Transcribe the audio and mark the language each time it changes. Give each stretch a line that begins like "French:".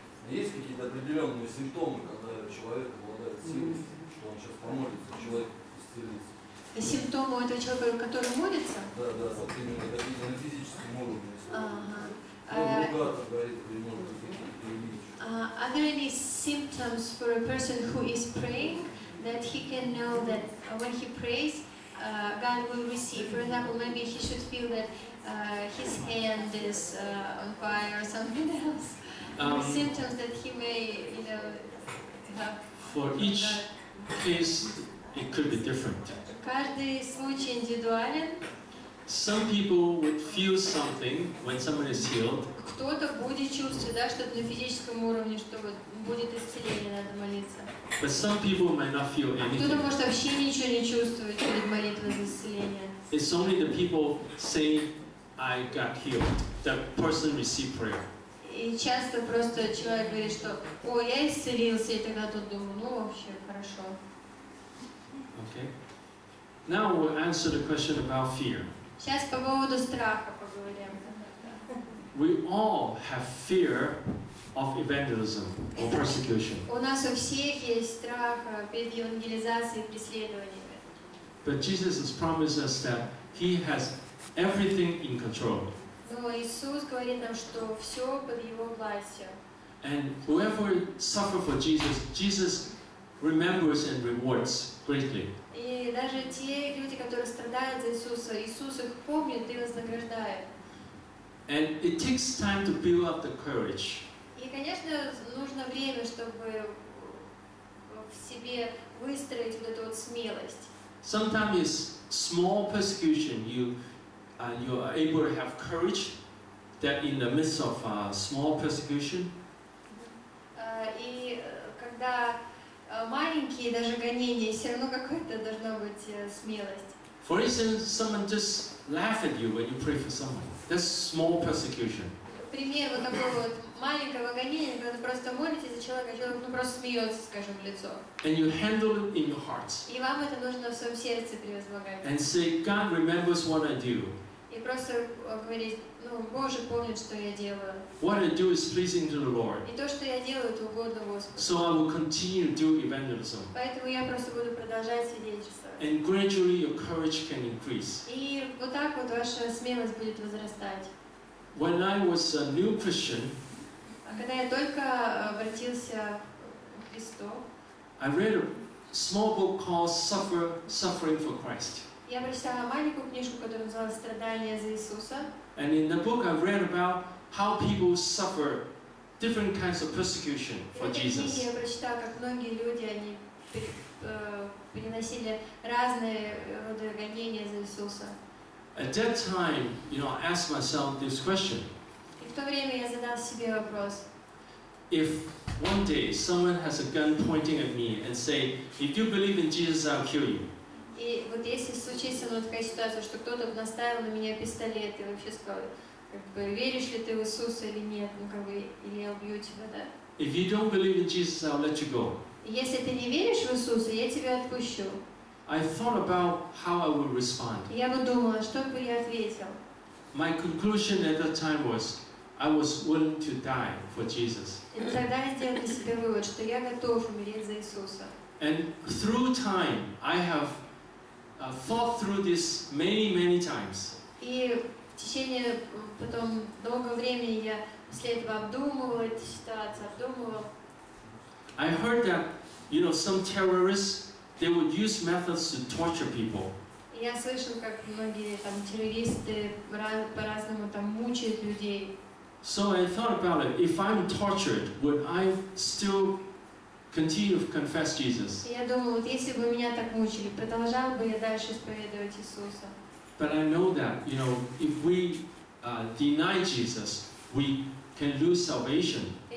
Russian: Есть какие-то определенные симптомы, когда человек обладает силой, что он сейчас помолится, человек исцелится? А симптомы у этого человека, который молится? Да, да, вот именно такие на физическом уровне.
English: Are there any symptoms for a person who is praying that he can know that when he prays, God will receive? For example, maybe he should feel that his hand is on fire or something else. Symptoms that he may, you know, have. For each case, it could be different.
Russian: Каждый случай индивидуален.
English: Some people would feel something when someone is healed.
Russian: Кто-то будет чувствовать, да, что-то на физическом уровне, что вот будет исцеление, надо молиться.
English: But some people might not feel anything.
Russian: Кто-то может вообще ничего не чувствовать перед молитвой за исцеление.
English: It's only the people say, "I got healed." That person received prayer.
Russian: И часто просто человек говорит, что, о, я исцелился, и тогда тут думаю, ну вообще хорошо.
English: Okay. Now we'll answer the question about fear.
Russian: Сейчас по поводу страха поговорим.
English: We all have fear of evangelism or persecution.
Russian: У нас у всех есть страх перед евангелизацией и преследованиями.
English: But Jesus has promised us that He has everything in control.
Russian: Но Иисус говорит нам, что все под Его властью.
English: And whoever suffers for Jesus, Jesus remembers and rewards greatly.
Russian: И даже те люди, которые страдают за Иисуса, Иисус их помнит и вознаграждает.
English: And it takes time to build up the courage.
Russian: И, конечно, нужно время, чтобы в себе выстроить вот эту вот смелость.
English: Sometimes it's small persecution. You are able to have courage that in the midst of a small persecution.
Russian: И когда маленькие даже гонения, все равно какое-то должно быть смелость.
English: For instance, someone just laughs at you when you pray for someone. That's small persecution.
Russian: Пример вот такого вот маленького гонения, когда просто молитесь за человека, человек просто смеется, скажем, в лицо.
English: And you handle it in your heart.
Russian: И вам это нужно в своем сердце превозмогать.
English: And say, God remembers what I do.
Russian: И просто говорить, ну, Боже помнит, что я делаю.
English: What I do is pleasing to the Lord.
Russian: И то, что я делаю, это угодно Господу.
English: So I will continue to do evangelism.
Russian: Поэтому я просто буду продолжать свидетельствовать.
English: And gradually your courage can increase.
Russian: И вот так вот ваша смелость будет возрастать.
English: When I was a new Christian,
Russian: а когда я только обратился к Христу,
English: I read a small book called Suffering for Christ.
Russian: Я прочитала маленькую книжку, которая называлась «Страдания за Иисуса».
English: And in the book I read about how people suffer different kinds of persecution for Jesus.
Russian: Я прочитала, как многие люди они переносили разные роды гонения за Иисуса.
English: At that time, you know, I asked myself this question.
Russian: И в то время я задал себе вопрос.
English: If one day someone has a gun pointing at me and say, "If you believe in Jesus, I'll kill you."
Russian: И вот если случится вот такая ситуация, что кто-то наставил на меня пистолет и вообще сказал, как бы, веришь ли ты в Иисуса или нет, ну как бы, или я убью тебя, да?
English: If you don't believe in Jesus, I'll let you go.
Russian: Если ты не веришь в Иисуса, я тебя отпущу.
English: I thought about how I would respond.
Russian: Я бы думала, что бы я ответил.
English: My conclusion at that time was, I was willing to die for Jesus.
Russian: И тогда я сделал для себя вывод, что я готов умереть за Иисуса.
English: And through time, I have thought through this many, many times.
Russian: И в течение потом долгого времени я после этого обдумывал эту ситуацию, обдумывал.
English: I heard that, you know, some terrorists, they would use methods to torture people.
Russian: Я слышал, как многие там террористы по-разному там мучают людей.
English: So I thought about it. If I'm tortured, would I still continue to confess Jesus? But I know that, you know, if we deny Jesus, we can lose salvation.